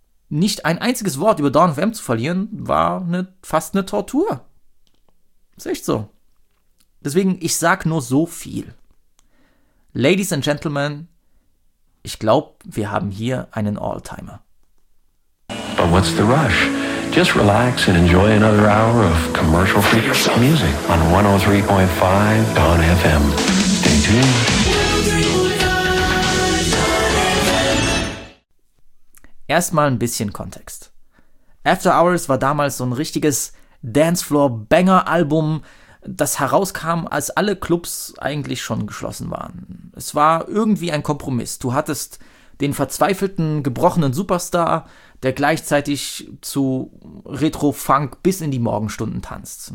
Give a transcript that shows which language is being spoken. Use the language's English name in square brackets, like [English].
[German] Nicht ein einziges Wort über Dawn of M zu verlieren, war fast eine Tortur. Ist echt so. Deswegen, ich sag nur so viel. [English] Ladies and Gentlemen, [German] ich glaube, wir haben hier einen Alltimer. [English] But what's the rush? Just relax and enjoy another hour of commercial free music on 103.5 Dawn FM. Stay tuned. [German] Erstmal ein bisschen Kontext. After Hours war damals so ein richtiges Dancefloor-Banger-Album, das herauskam, als alle Clubs eigentlich schon geschlossen waren. Es war irgendwie ein Kompromiss. Du hattest den verzweifelten, gebrochenen Superstar, der gleichzeitig zu Retro-Funk bis in die Morgenstunden tanzt.